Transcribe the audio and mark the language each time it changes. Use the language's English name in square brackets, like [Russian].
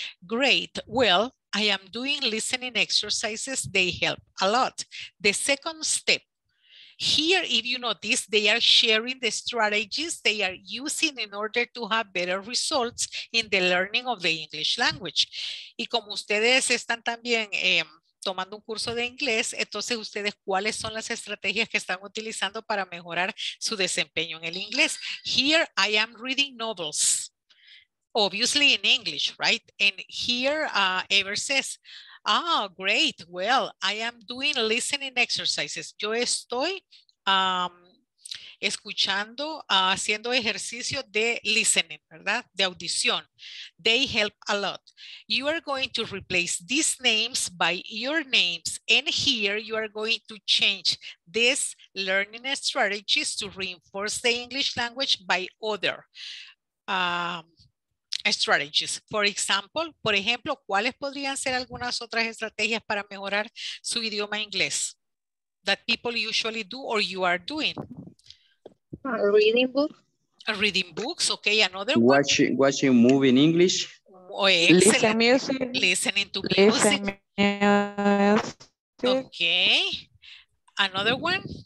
[English] Great. Well, I am doing listening exercises. They help a lot. The second step. Here, if you notice, they are sharing the strategies they are using in order to have better results in the learning of the English language. [Spanish] Y como ustedes están también tomando un curso de inglés, entonces ustedes, ¿cuáles son las estrategias que están utilizando para mejorar su desempeño en el inglés? [English] Here I am reading novels, obviously in English, right? And here Ever says, ah, great, well, I am doing listening exercises. [Spanish] Yo estoy escuchando, haciendo ejercicio de listening, ¿verdad? De audición. [English] They help a lot. You are going to replace these names by your names. And here you are going to change these learning strategies to reinforce the English language by other strategies. [Spanish] Por ejemplo, ¿cuáles podrían ser algunas otras estrategias para mejorar su idioma inglés? [English] That people usually do or you are doing. Reading books. Okay, another watching, Watching movie in English. Oh, excellent. Listen music. Listening to listen music. Okay. Another one?